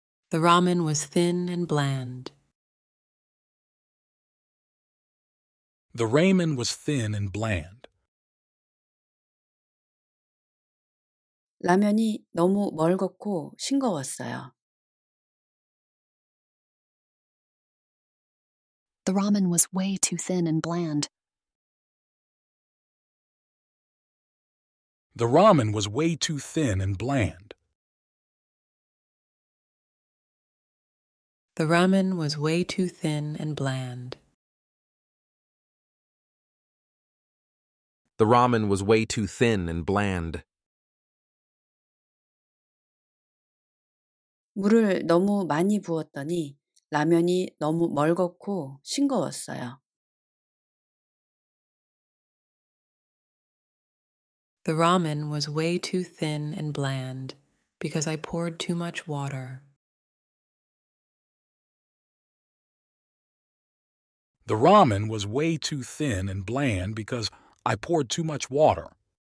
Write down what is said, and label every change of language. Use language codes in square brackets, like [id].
[en] The ramen was thin and bland. The ramen was thin and bland. [ko] 라면이 너무 멀겋고 싱거웠어요. [en] The ramen was way too thin and bland. The ramen was way too thin and bland. The ramen was way too thin and bland. The ramen was way too thin and bland. [ko] 물을 너무 많이 부었더니 라면이 너무 멀겋고 싱거웠어요. [en] The ramen was way too thin and bland because I poured too much water. The ramen was way too thin and bland because I poured too much water.